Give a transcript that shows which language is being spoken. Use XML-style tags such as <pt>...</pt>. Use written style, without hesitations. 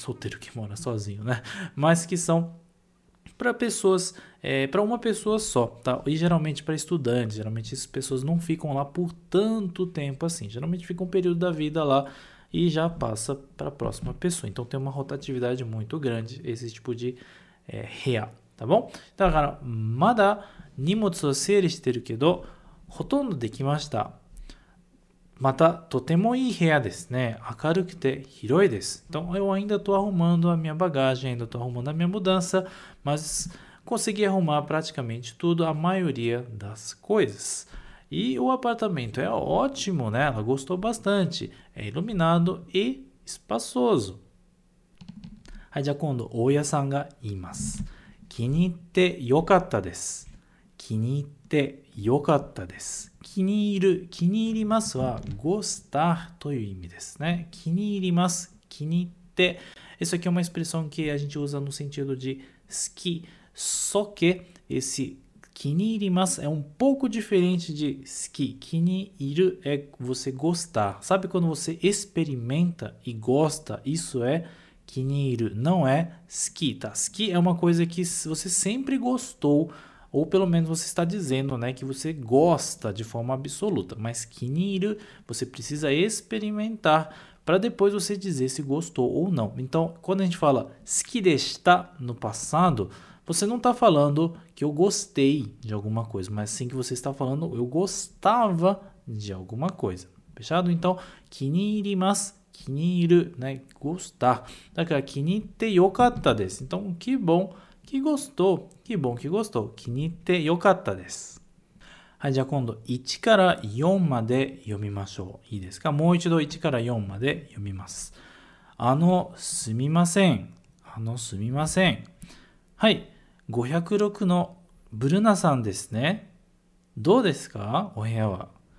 <pt>Solteiro que mora sozinho, né? Mas que são para pessoas, para uma pessoa só, tá? E geralmente para estudantes, geralmente essas pessoas não ficam lá por tanto tempo assim. Geralmente fica um período da vida lá e já passa para a próxima pessoa. Então tem uma rotatividade muito grande esse tipo de reá, tá bom? Então agora,</pt> <ja>mada 荷物を整理してるけど、ほとんどできました。また、とてもいい部屋ですね。明るくて広いです。</ja> <pt>Então, eu ainda estou arrumando a minha bagagem, ainda estou arrumando a minha mudança, mas consegui arrumar praticamente tudo, a maioria das coisas. E o apartamento é ótimo, né? Ela gostou bastante. É iluminado e espaçoso.</pt> <ja>はい、じゃあ今度、大家さんが言います。気に入ってよかったです。気に入ってよかったです。気に入る、気に入りますは、gostar という意味ですね。気に入ります、気に入って。</ja> <pt>Isso aqui é uma expressão que a gente usa no sentido de 好き。 Só que esse 気に入ります é um pouco diferente de 好き。気に入る é você gostar. Sabe quando você experimenta e gosta? Isso é 気に入る、não é 好き。 Tá? 好き é uma coisa que você sempre gostou. Ou pelo menos você está dizendo, né, que você gosta de forma absoluta. Mas 気に入る, você precisa experimentar para depois você dizer se gostou ou não. Então, quando a gente fala 好きでした no passado, você não está falando que eu gostei de alguma coisa, mas sim que você está falando eu gostava de alguma coisa. Fechado? Então, 気に入ります, 気に入る, né, gostar.</pt> <ja>だから気に入ってよかったです.</ja> <pt>Então, que bom. Que gostou, que bom que gostou.</pt> <ja>気に入ってよかったです。はい、じゃあ今度1から4まで読みましょう。いいですか？もう一度1から4まで読みます。すみません。すみません。はい、506のブルナさんですね。どうですか？お部屋は。</ja>